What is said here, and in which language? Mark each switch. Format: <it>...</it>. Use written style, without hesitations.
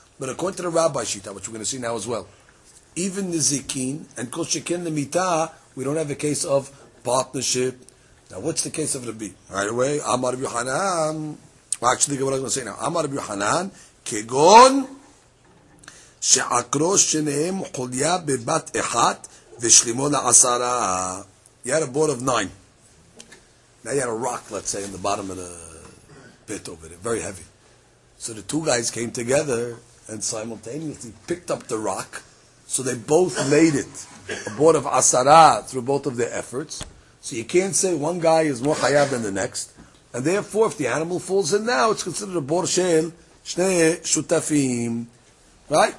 <en>But according to the rabbi shita, which we're going to see now as well, even nezakin and kol shekin the mita, we don't have a case of partnership. Now, what's the case of the B? Right away, Amar Rabbi Yohanan. Well, actually, what I'm going to say now, Amar Rabbi Yohanan kegon.</en> <he>שעקרו שניהם חוליה בבת אחת ושלימו לעשרה.</he> <en>You had a board of nine. Now you had a rock, let's say, in the bottom of the pit over there, very heavy. So the two guys came together and simultaneously picked up the rock. So they both laid it, a board of asara, through both of their efforts. So you can't say one guy is more chayav than the next. And therefore, if the animal falls in now, it's considered a bor shel shnei shutafim. Right?</en>